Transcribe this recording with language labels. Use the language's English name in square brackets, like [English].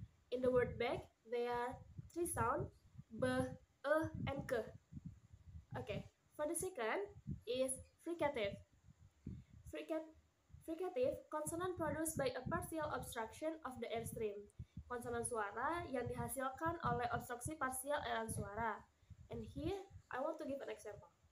[English] In the word back, there are three sounds: b, e, and k. Okay, for the second is fricative. Fricative, consonant produced by a partial obstruction of the airstream. [Indonesian] Konsonan suara yang dihasilkan oleh obstruksi parsial aliran suara. And here, I want to give an example.